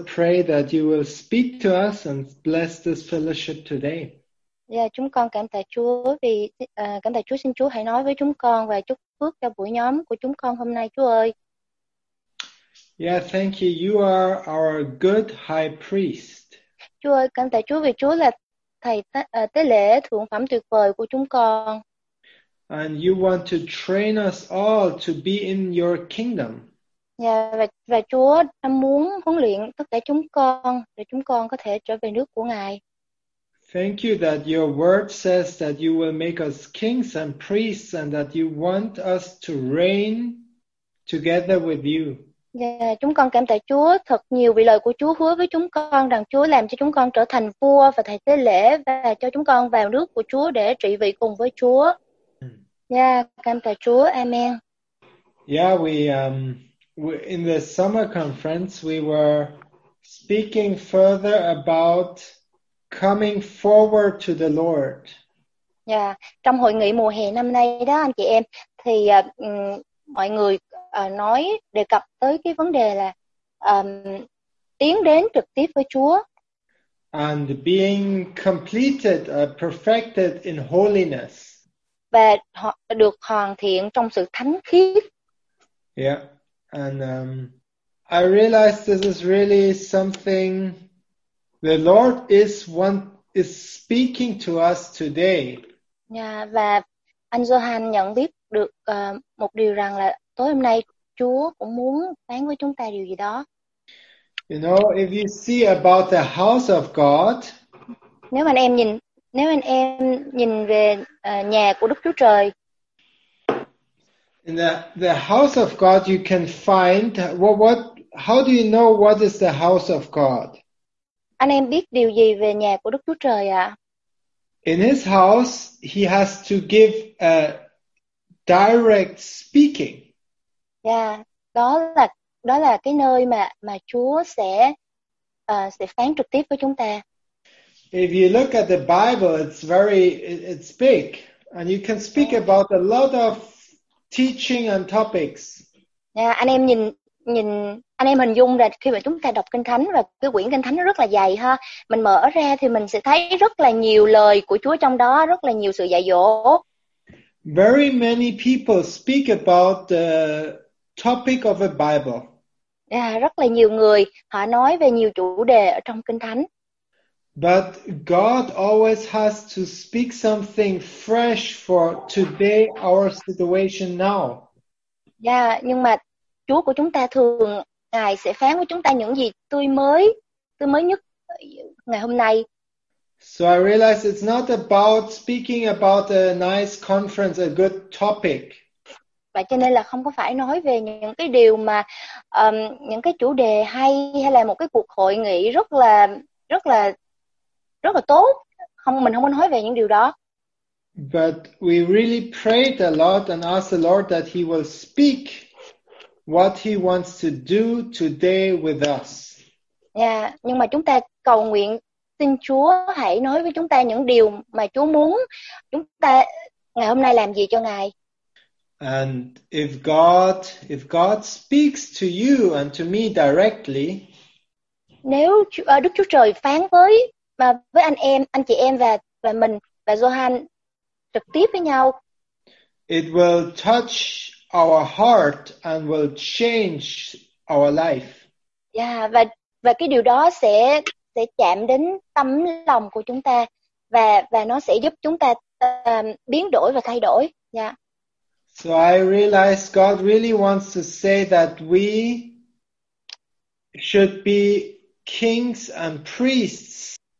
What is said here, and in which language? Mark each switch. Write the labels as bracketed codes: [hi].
[en] pray that you will speak to us and bless this fellowship today. [vi] Dạ, chúng con cảm tạ Chúa vì cảm tạ Chúa, xin Chúa hãy nói với chúng con và chúc phước cho buổi nhóm của chúng con hôm nay, Chúa ơi. [en] Yeah, thank you. You are our good high priest. [vi] Chúa ơi, cảm tạ Chúa vì Chúa là thầy tế lễ thượng phẩm tuyệt vời của chúng con. [en] And you want to train us all to be in your kingdom. [vi] Dạ, và Chúa muốn huấn luyện tất cả chúng con để chúng con có thể trở về nước của Ngài. [en] Thank you that your word says that you will make us kings and priests and that you want us to reign together with you. [vi] Dạ, chúng con cảm tạ Chúa thật nhiều vì lời của Chúa hứa với chúng con rằng Chúa làm cho chúng con trở thành vua và thầy tế lễ và cho chúng con vào nước của Chúa để trị vì cùng với Chúa. Dạ, cảm tạ Chúa. Amen. [en] Yeah, we in the summer conference we were speaking further about coming forward to the Lord. [vi] Yeah, trong hội nghị mùa hè năm nay đó anh chị em thì mọi người nói đề cập tới cái vấn đề là tiến đến trực tiếp với Chúa. [en] And being completed, perfected in holiness. [vi] Và được hoàn thiện trong sự thánh khiết. [en] Yeah, and I realize this is really something. The Lord is speaking to us today. [vi] Yeah, và anh Johan nhận biết được một điều rằng là tối hôm nay Chúa cũng muốn phán với chúng ta điều gì đó. [en] You know, if you see about the house of God. [vi] Nếu anh em nhìn về nhà của Đức Chúa Trời. [en] In the house of God, you can find what how do you know what is the house of God? [vi] Anh em biết điều gì về nhà của Đức Chúa Trời ạ? [en] In his house, he has to give a direct speaking. [vi] Yeah, đó là cái nơi mà Chúa sẽ phán trực tiếp với chúng ta. [en] If you look at the Bible, it's big, and you can speak about a lot of teaching and topics. [vi] Yeah, anh em nhìn anh em hình dung là khi mà chúng ta đọc Kinh Thánh và cái quyển Kinh Thánh nó rất là dày ha. Mình mở ra thì mình sẽ thấy rất là nhiều lời của Chúa trong đó, rất là nhiều sự dạy dỗ. [en] Very many people speak about the topic of a Bible. [vi] Yeah, rất là nhiều người họ nói về nhiều chủ đề ở trong Kinh Thánh. [en] But God always has to speak something fresh for today, our situation now. [vi] Yeah, nhưng mà Chúa của chúng ta thường Ngài sẽ phán với chúng ta những gì tươi mới nhất ngày hôm nay. [en] So I realize it's not about speaking about a nice conference, a good topic. [vi] Và cho nên là không có phải nói về những cái điều mà những cái chủ đề hay là một cái cuộc hội nghị rất là tốt. Không, mình không có nói về những điều đó. [en] But we really prayed a lot and asked the Lord that he will speak what he wants to do today with us. [vi] Yeah, nhưng mà chúng ta cầu nguyện xin Chúa hãy nói với chúng ta những điều mà Chúa muốn chúng ta ngày hôm nay làm gì cho Ngài. [en] And if God speaks to you and to me directly. [vi] Nếu Đức Chúa Trời phán với anh em, anh chị em và mình và Johan trực tiếp với nhau. [en] It will touch our heart and will change our life. [vi] Yeah, và cái điều đó sẽ chạm đến tấm lòng của chúng ta và nó sẽ giúp chúng ta biến đổi và thay đổi. Yeah. [en] So I realized God really wants to say that we should be kings and priests.